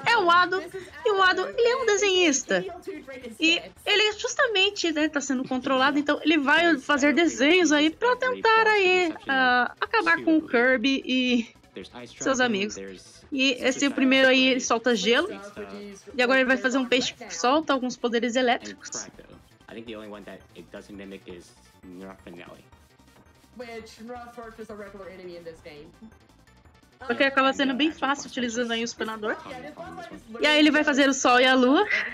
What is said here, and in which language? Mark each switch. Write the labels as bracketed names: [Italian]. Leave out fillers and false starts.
[Portuguese] É o Ado, e o Ado, ele é um desenhista. E ele justamente, né, tá sendo controlado, então ele vai fazer desenhos aí pra tentar aí acabar com o Kirby e seus amigos. E esse é o primeiro aí, ele solta gelo. E agora ele vai fazer um peixe que solta alguns poderes elétricos. [English] I think the only one that it doesn't mimic is Nerfinelli. Which Nerfurk is a regular enemy in this game. [Portuguese] Porque acaba sendo bem fácil utilizando aí o espanador. E aí ele vai fazer o sol e a lua.